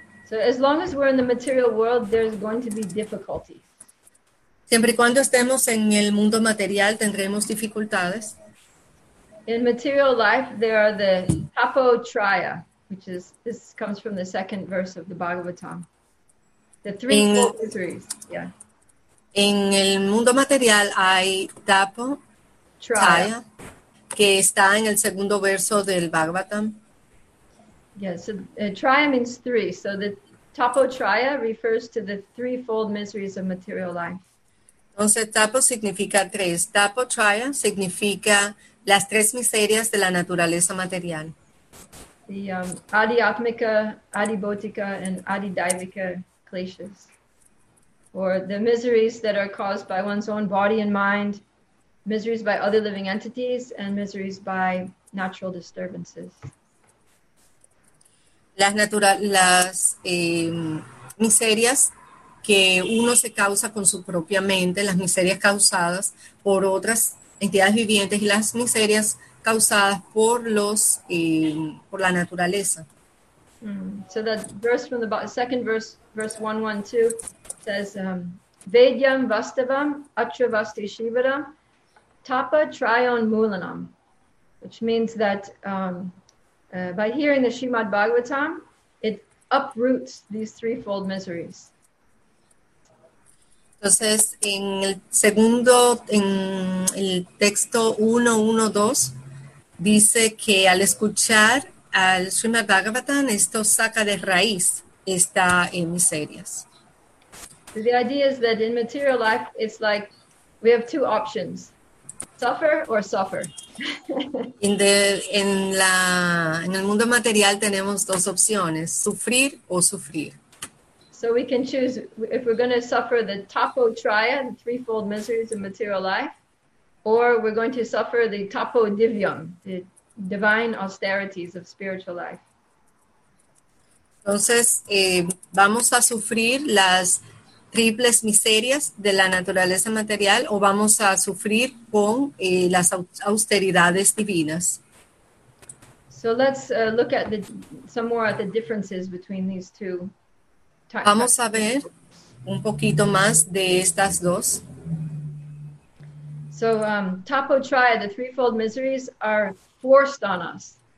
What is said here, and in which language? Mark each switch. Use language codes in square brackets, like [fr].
[en] So as long as we're in the material world, there's going to be difficulty. [es] Siempre y cuando estemos en el mundo material, tendremos dificultades. [en] In material life, there are the tapo traya, which is, this comes from the second verse of the Bhagavatam. The three misseries, yeah. [es] En el mundo material hay tapo traya, que está en el segundo verso del Bhagavatam. [en] Yeah, so traya means three. So the tapo traya refers to the threefold miseries of material life. [es] Entonces, tapo significa tres. Tapo traya significa las tres miserias de la naturaleza material. [en] The adiatmika, adibhotika, and adidaivika kleshas. Or the miseries that are caused by one's own body and mind, miseries by other living entities, and miseries by natural disturbances. [es] Las miserias que uno se causa con su propia mente, las miserias causadas por otras entidades vivientes y las miserias causadas por los por la naturaleza. [en] So that verse from the second verse, verse 112, says, [sa] Vedyam Vastavam Atravasti Shivaram Tapa Trayon Mulanam, [en] which means that by hearing the Srimad Bhagavatam, it uproots these threefold miseries. [es] Entonces, en el segundo, en el texto 112, dice que al escuchar al Srimad Bhagavatam, esto saca de raíz esta miserias. [en] So the idea is that in material life, it's like we have two options, suffer or suffer. [es] En el mundo material tenemos dos opciones, sufrir o sufrir. [en] So we can choose if we're going to suffer the tapo traya, the threefold miseries of material life, or we're going to suffer the tapo divyam, the divine austerities of spiritual life. [es] Entonces, vamos a sufrir las triples miserias de la naturaleza material o vamos a sufrir con las austeridades divinas. [en] So let's look at some more at the differences between these two. [es] Vamos a ver un poquito más de estas dos. [en] So, tapo traya, the threefold miseries, are forced on us.